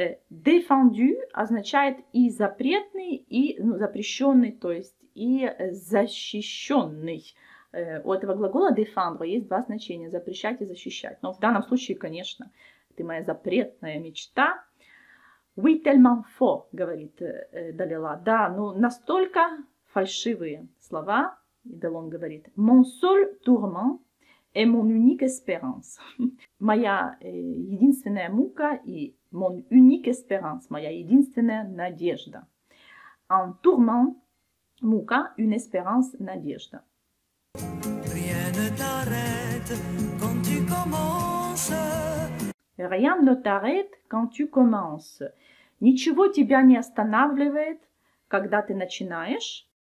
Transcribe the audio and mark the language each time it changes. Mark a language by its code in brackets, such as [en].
[ru] Défendu означает и запретный, и ну, запрещенный, то есть и защищенный. У этого глагола défendre есть два значения, запрещать и защищать. Но в данном случае, конечно, ты моя запретная мечта. [fr] Oui, tellement faux, [ru] говорит Далила. Да, ну настолько фальшивые слова. И Делон говорит, [fr] «Mon seul tourment est mon unique espérance». [ru] Моя единственная мука и [fr] mon unique espérance, [ru] моя единственная надежда. [fr] Un tourment, мука, une espérance, надежда. Rien ne t'arrête quand tu commences. Rien ne t'arrête quand tu commences. [ru] Ничего тебя не останавливает, когда ты начинаешь.